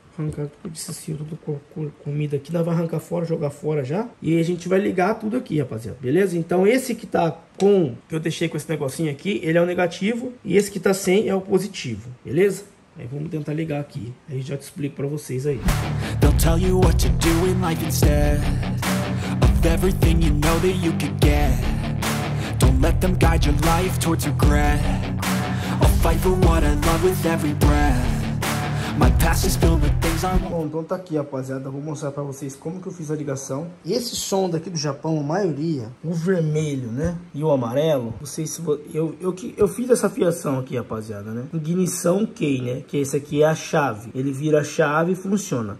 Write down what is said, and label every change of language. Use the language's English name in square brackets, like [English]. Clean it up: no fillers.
[Portuguese] Arrancar tudo esse fio, tudo com comida aqui. Nós vamos arrancar fora, jogar fora já. E a gente vai ligar tudo aqui, rapaziada. Beleza? Então esse que tá com... Que eu deixei com esse negocinho aqui, ele é o negativo. E esse que tá sem é o positivo. Beleza? Aí vamos tentar ligar aqui. Aí já te explico pra vocês aí. [English] They'll tell you what to do in life instead. everything you know that you could get. Don't let them guide your life towards regret. I'll fight for what I love with every breath. My past is filled with things I'm... [Portuguese] Bom, então tá aqui, rapaziada. Vou mostrar pra vocês como que eu fiz a ligação. Esse som daqui do Japão, a maioria, o vermelho, né? E o amarelo. Não sei se eu fiz essa fiação aqui, rapaziada, né? Ignição key, né? Que esse aqui é a chave. Ele vira a chave e funciona.